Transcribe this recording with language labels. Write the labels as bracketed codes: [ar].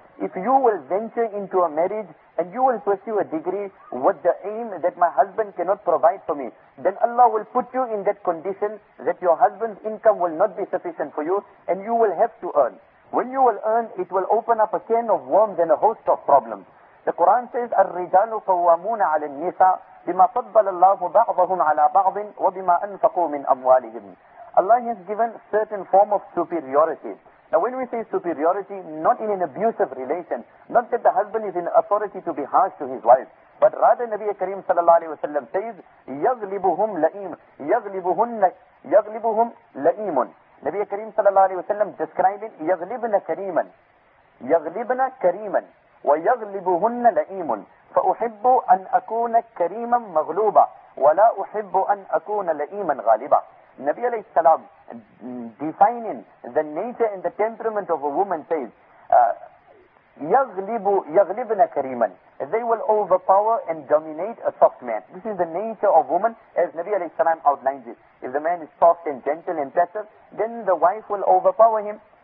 [en] If you will venture into a marriage and you will pursue a degree with the aim that my husband cannot provide for me, then Allah will put you in that condition that your husband's income will not be sufficient for you and you will have to earn. When you will earn, it will open up a can of worms and a host of problems. [ar] The Quran says, الرِّجَالُ قَوَّامُونَ عَلَى النِّسَاءِ بِمَا فَضَّلَ اللَّهُ بَعْضَهُمْ عَلَى بَعْضٍ وَبِمَا أَنفَقُوا مِنْ أَمْوَالِهِمْ. [en] Allah has given certain form of superiority. Now when we say superiority, not in an abusive relation, not that the husband is in authority to be harsh to his wife, but rather Nabi Kareem sallallahu alayhi wa sallam says, يَغْلِبُهُمْ لَئِيمٌ يَغْلِبُهُمْ لَئِيمٌ. [ar] Nabi Kareem sallallahu alayhi wa sallam describing يَغْلِبْنَ كَرِيمًا يَغْلِبْنَ كَرِيمًا وَيَغْلِبُهُنَّ لَئِيمٌ فَأُحِبُّ أَنْ أَكُونَ كَرِيمًا مَغْلُوبًا وَلَا أُحِبُّ أَنْ أَكُونَ لَئِيمًا غَالِبًا. [en] Nabi alayhi salam defining the nature and the temperament of a woman says يَغْلِبْنَ كَرِيمًا. They will overpower and dominate a soft man. This is the nature of woman as Nabi alayhi salam outlines it. If the man is soft and gentle and passive, then the wife will overpower him.